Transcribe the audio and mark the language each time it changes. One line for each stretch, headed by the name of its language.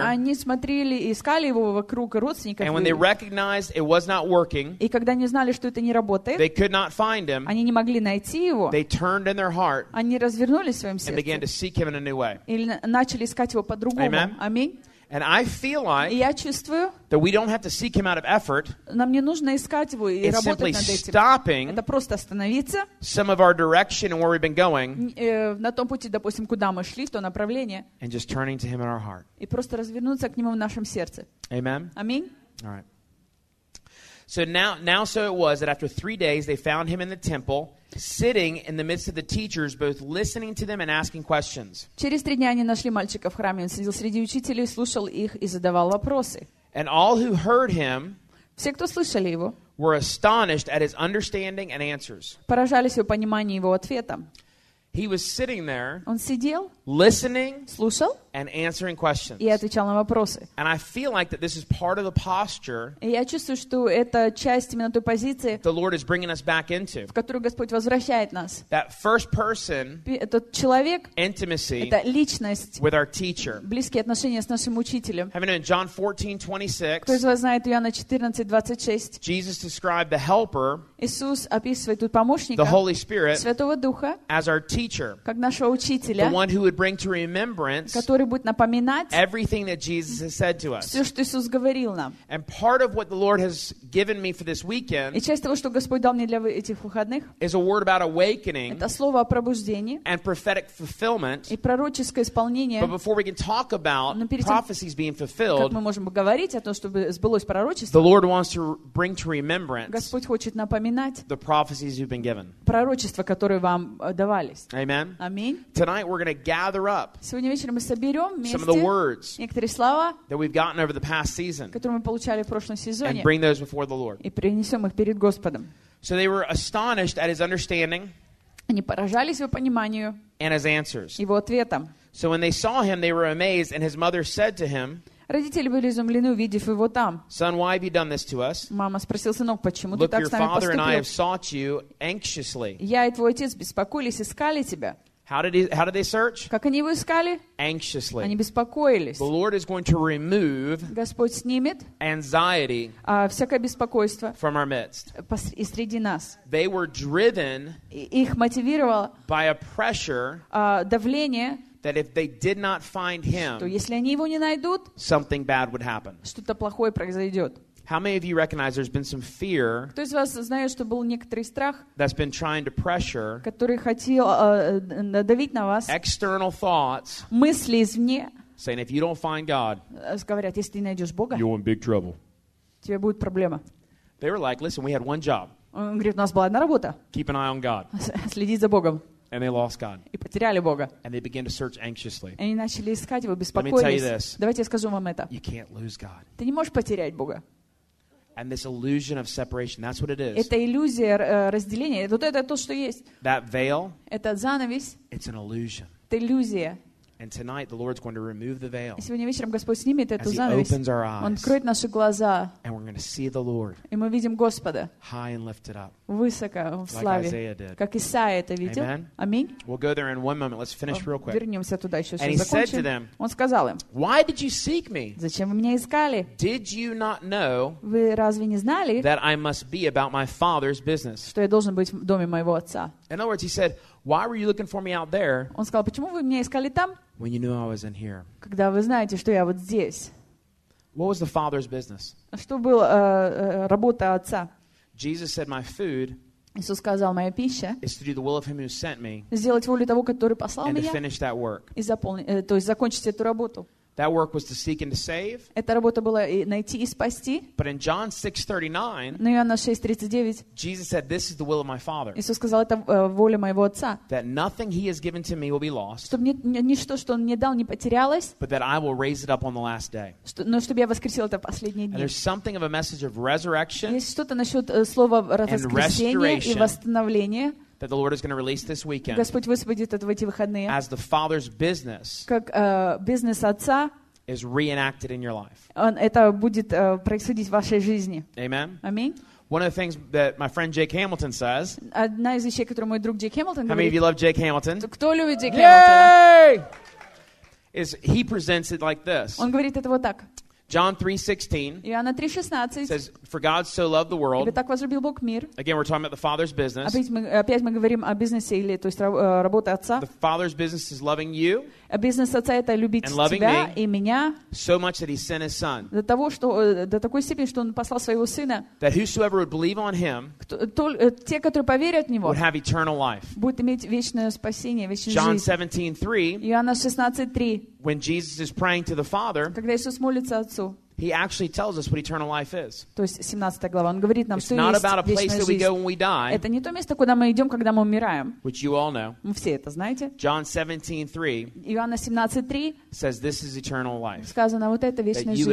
Russian: Они смотрели и искали его вокруг родственников.
English: And when they recognized it was not working,
Russian: и когда они знали, что это не работает,
English: they could not find him.
Russian: Они не могли найти его.
English: They turned in their heart.
Russian: Они развернулись в своем сердце.
English: And began to seek him in a new way.
Russian: И начали искать его по-другому. Аминь.
English: And I feel like,
Russian: я чувствую,
English: that we don't have to seek him out of effort.
Russian: Нам не нужно искать его и
English: it's
Russian: работать над этим.
English: Stopping
Russian: это просто остановиться.
English: Some of our direction and where we've been going.
Russian: На том пути, допустим, куда мы шли, в то направление.
English: And just turning to him in our heart.
Russian: И просто развернуться к нему в нашем сердце.
English: Amen.
Russian: Аминь.
English: All right. So now so it was that after 3 days they found him in the temple, sitting in the midst of the teachers, both listening to them and asking questions.
Russian: Через 3 дня они нашли мальчика в храме. Он сидел среди учителей, слушал их и задавал вопросы.
English: And all who heard him,
Russian: все, кто слышали его,
English: were astonished at his understanding and answers.
Russian: Поражались его пониманию его ответам.
English: He was sitting there,
Russian: он сидел,
English: listening,
Russian: слушал,
English: and answering questions.
Russian: И отвечал на вопросы.
English: And I feel like that this is part of the posture.
Russian: И я чувствую, что это часть именно той позиции,
English: the Lord is bringing us back into,
Russian: в которую Господь возвращает нас.
English: That first person,
Russian: этот человек,
English: intimacy,
Russian: это личность,
English: with our teacher,
Russian: близкие отношения с нашим учителем.
English: Having in John 14:26,
Russian: кто из вас знает Иоанна 14:26?
English: Jesus described the Helper,
Russian: Иисус описывает тут помощника,
English: the Holy Spirit,
Russian: Святого Духа,
English: as our teacher,
Russian: как нашего учителя,
English: the one who would bring to remembrance,
Russian: который будет напоминать,
English: everything that Jesus has said to us,
Russian: все, что Иисус говорил нам,
English: and part of what the Lord has given me for this weekend,
Russian: и часть того, что Господь дал мне для этих выходных,
English: is a word about awakening,
Russian: это слово о пробуждении,
English: and prophetic fulfillment,
Russian: и пророческое исполнение.
English: But before we can talk about prophecies being fulfilled,
Russian: как мы можем говорить о том, чтобы сбылось пророчество,
English: the Lord wants to bring to remembrance,
Russian: Господь хочет напоминать,
English: the prophecies you've been given,
Russian: пророчества, которые вам давались.
English: Amen.
Russian: Аминь.
English: Tonight we're going to gather up
Russian: сегодня вечером мы соберем вместе
English: some of the words
Russian: некоторые слова,
English: that we've gotten over the past season,
Russian: которые мы получали в прошлом сезоне,
English: and bring those before the Lord.
Russian: И принесем их перед Господом.
English: So they were astonished at his understanding,
Russian: они поражались его пониманию,
English: and his answers,
Russian: его ответом.
English: So when they saw him, they were amazed, and his mother said to him,
Russian: родители были изумлены, увидев его там.
English: Son, why have you done this to us?
Russian: Мама спросила, сынок, почему
English: Look,
Russian: ты так с нами
English: father
Russian: поступил?
English: And I have sought you anxiously.
Russian: Я и твой отец беспокоились, искали тебя.
English: How did they search?
Russian: Как они его искали?
English: Anxiously.
Russian: Они беспокоились.
English: The Lord is going to remove
Russian: Господь снимет
English: anxiety
Russian: всякое беспокойство
English: from our midst.
Russian: И среди нас.
English: They were driven
Russian: их мотивировало
English: by a pressure
Russian: давление
English: that if they did not find him,
Russian: что если они его не найдут,
English: something bad would happen.
Russian: Что-то плохое произойдет.
English: How many of you recognize there's been some fear?
Russian: Кто из вас знает, что был некоторый страх?
English: That's been trying to pressure.
Russian: Который хотел давить на вас.
English: External thoughts.
Russian: Мысли извне.
English: Saying if you don't find God,
Russian: говорят, если ты не найдешь Бога,
English: you're in big trouble.
Russian: Тебе будет проблема.
English: They were like, listen, we had one job.
Russian: Он говорит, у нас была одна работа.
English: Keep an eye on God.
Russian: Следить за Богом.
English: And they lost God.
Russian: И потеряли Бога.
English: And they began to search anxiously.
Russian: Они начали искать его, беспокоились.
English: Let me tell you this.
Russian: Давайте я скажу вам это.
English: You can't lose God.
Russian: Ты не можешь потерять Бога.
English: And this illusion of separation, that's what it is.
Russian: Это иллюзия разделения. Вот это то, что есть.
English: That veil,
Russian: этот занавес,
English: it's an illusion.
Russian: Это иллюзия.
English: And tonight the Lord's going to remove the veil.
Russian: Сегодня вечером Господь снимет эту занавесь. Он откроет наши глаза.
English: And we're going to see the Lord.
Russian: И мы видим Господа.
English: High and lifted up.
Russian: Высоко в славе.
English: Like Isaiah did.
Russian: Как Исаия это видел.
English: Amen.
Russian: Аминь.
English: We'll go there in one moment. Let's finish real quick.
Russian: Вернемся туда еще,
English: and he said to them,
Russian: он сказал им,
English: why did you seek me?
Russian: Зачем вы меня искали?
English: Did you not know?
Russian: Вы разве не знали?
English: That I must be about my Father's business.
Russian: Что я должен быть в доме моего отца.
English: In other words, he said, why were you looking for me out there?
Russian: Он сказал, почему вы меня искали там?
English: When you knew I was in here.
Russian: Когда вы знаете, что я вот здесь.
English: What was the Father's business?
Russian: Что была работа отца?
English: Jesus said, my food.
Russian: Иисус сказал, моя пища.
English: Is to do the will of him who sent me.
Russian: Сделать волю того, который послал меня.
English: And finish that work.
Russian: И то есть закончить эту работу.
English: That work was to seek and to save.
Russian: Эта работа была найти и спасти.
English: But in John 6:39.
Russian: Но Иоанна 6:39.
English: Jesus said, "This is the will of my Father."
Russian: Иисус сказал, это воля моего отца.
English: That nothing he has given to me will be lost.
Russian: Чтобы ничто, что он мне дал, не потерялось.
English: But that I will raise it up on the last day.
Russian: Но чтобы я воскресил это в последний день.
English: And there's something of a message of resurrection.
Russian: Есть что-то насчет слова воскресения и восстановления.
English: That the Lord is going to release this weekend.
Russian: Господь высвободит это в эти выходные.
English: As the Father's business.
Russian: Как бизнес отца.
English: Is reenacted in your life.
Russian: Он это будет происходить в вашей жизни.
English: Amen.
Russian: Аминь.
English: One of the things that my friend Jake Hamilton says.
Russian: Одна из вещей, которую мой друг Джейк Хэмилтон говорит.
English: How many of you love Jake Hamilton?
Russian: Кто любит Джейк
English: Хэмилтона? Yay! Is he presents it like this?
Russian: Он говорит это вот так.
English: John 3:16.
Russian: Иоанна 3:16.
English: Says, for God so loved the world.
Russian: Ибо так возлюбил Бог мир.
English: Again, we're talking about the Father's business.
Russian: Опять мы говорим о бизнесе или то есть работе отца.
English: The Father's business is loving you.
Russian: Бизнес отца это любить тебя и меня.
English: So much that he sent his son.
Russian: До такой степени, что он послал своего сына.
English: That whosoever would believe on him.
Russian: Те, которые поверят в него.
English: Would have eternal life.
Russian: Будет иметь вечное спасение, вечную жизнь.
English: John 17:3.
Russian: Иоанна 16:3.
English: When Jesus is praying to the Father.
Russian: Когда Иисус молится.
English: He actually tells us what eternal life is.
Russian: То есть 17 глава. Он говорит нам, что есть вечная жизнь.
English: It's not about a place that we go when we die.
Russian: Это не то место, куда мы идем, когда мы умираем.
English: Which you all know.
Russian: Мы все это знаете.
English: John 17:3.
Russian: Иоанна 17:3.
English: Says this is eternal life.
Russian: Сказано вот это вечная жизнь.